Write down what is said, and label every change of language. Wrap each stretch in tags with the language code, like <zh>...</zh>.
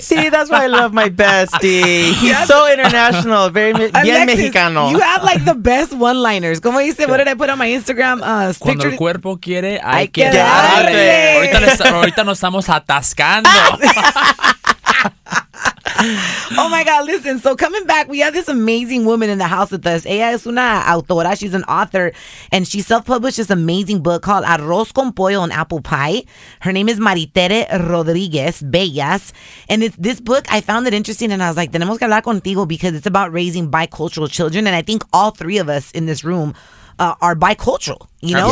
<en>See, that's why I love my bestie. He's so international, very</en> <es>bien mexicano.</es> <en>You have like the best one-liners.</en> <es>Como dice,</es> <en>what did I put on my Instagram?</en> <es>Cuando el cuerpo quiere, hay que darle. Ahorita nos estamos atascando.</es> <en>Oh my God, listen, so coming back, we have this amazing woman in the house with us.</en> <es>Ella es una autora,</es> <en>she's an author, and she self-published this amazing book called Arroz con Pollo and Apple Pie. Her name is Maritere Rodriguez Bellas, and it's this book, I found it interesting, and I was like,</en> <es>tenemos que hablar contigo,</es> <en>because it's about raising bicultural children, and I think all three of us in this room are bicultural, you know?</en>